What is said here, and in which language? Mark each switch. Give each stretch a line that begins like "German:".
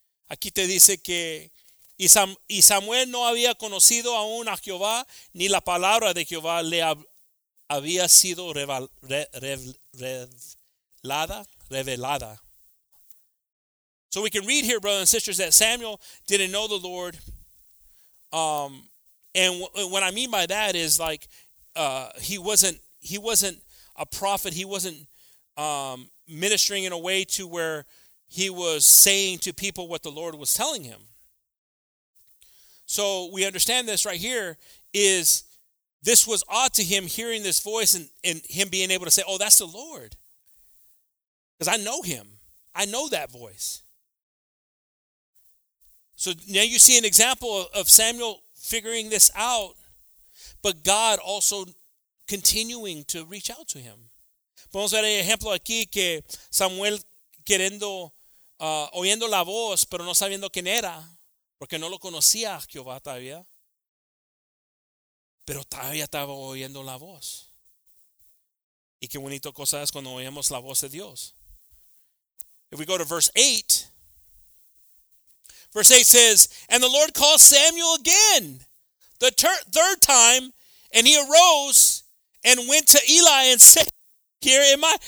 Spanish: Aquí te dice que y Samuel no había conocido aún a Jehová, ni la palabra de Jehová le había sido revelada.
English: So we can read here, brothers and sisters, that Samuel didn't know the Lord. What I mean by that is like he wasn't a prophet. He wasn't ministering in a way to where he was saying to people what the Lord was telling him. So we understand this right here is this was odd to him hearing this voice and him being able to say, oh, that's the Lord. Because I know him. I know that voice. So now you see an example of Samuel figuring this out, but God also continuing to reach out to him.
Spanish: Vamos a ver el ejemplo aquí que Samuel queriendo, oyendo la voz, pero no sabiendo quién era, porque no lo conocía Jehová todavía, pero todavía estaba oyendo la voz. Y qué bonito cosa es cuando oímos la voz de Dios.
English: If we go to verse 8, verse 8 says, and the Lord called Samuel again the third time, and he arose and went to Eli and said, here am I.